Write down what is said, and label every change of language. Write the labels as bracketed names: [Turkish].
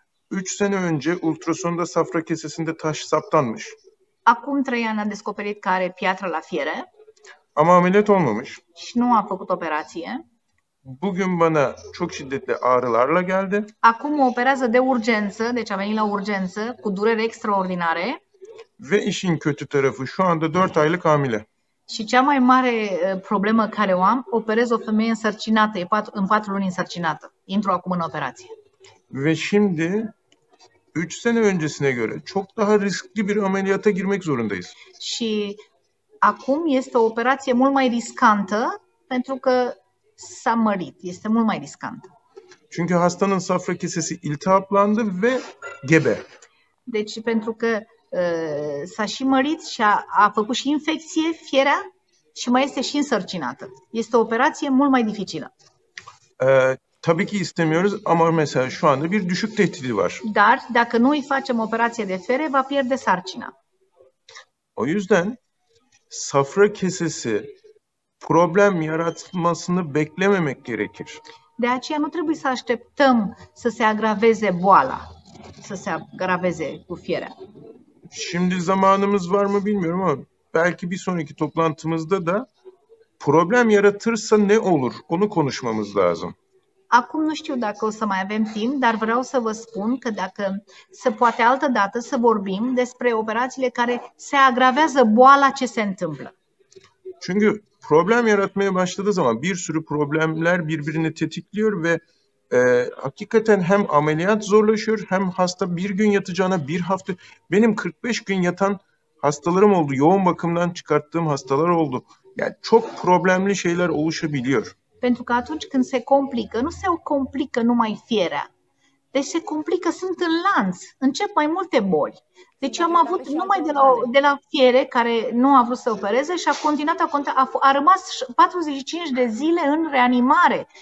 [Turkish] 3 sene önce ultrasonda safra kesesinde taş saptanmış. [Romanian] Acum 3 ani a descoperit că are piatră la fiere. [Turkish] Ama ameliyat olmamış. [Romanian] Și nu a făcut operație. [Turkish] Bugün bana çok şiddetli ağrılarla geldi. [Romanian] Acum operează de urgență, deci a venit la urgență cu dureri extraordinare. [Turkish] Ve işin kötü tarafı şu anda 4 aylık hamile. [Romanian] Și cea mai mare problemă care o am, operez o femeie însărcinată, în 4 luni însărcinată. Intru acum în operație. [Turkish] Ve şimdi 3 sene öncesine göre çok daha riskli bir ameliyata girmek zorundayız. [Romanian] Și acum este o operație mult mai riscantă pentru că s-a mărit, este mult mai riscant. [Turkish] Çünkü hastanın safra kesesi iltihaplandı ve gebe. [Romanian] Deci pentru că s-a și mărit și a făcut și infecție fierea și mai este și însărcinată. Este o operație mult mai dificilă. [Turkish] Tabii ki istemiyoruz ama mesela şu anda bir düşük tehdidi var. [Romanian] Dar dacă nu îi facem operație de fere, va pierde sarcina. [Turkish] O yüzden safra kesesi problem yaratmasını beklememek gerekir. [Romanian] De aceea nu trebuie să așteptăm să se agraveze boala. să se agraveze cu fierea. [Turkish] Şimdi zamanımız var mı bilmiyorum ama belki bir sonraki toplantımızda da problem yaratırsa ne olur? Onu konuşmamız lazım. [Romanian] Acum nu știu dacă o să mai avem timp, dar vreau să vă spun că dacă se poate altă dată să vorbim despre operațiile care se agravează boala ce se întâmplă. [Turkish] Çünkü problem yaratmaya başladığı zaman bir sürü problemler birbirini tetikliyor ve hakikaten hem ameliyat zorlaşıyor hem hasta bir gün yatacağına bir hafta. Benim 45 gün yatan hastalarım oldu, yoğun bakımdan çıkarttığım hastalar oldu. Yani çok problemli şeyler oluşabiliyor. [Romanian] Pentru că atunci când se complică, nu se complică numai fierea. Deci se complică, sunt în lanț, încep mai multe boli. Deci am avut numai de la fiere care nu a vrut să opereze și a continuat, a rămas 45 de zile în reanimare.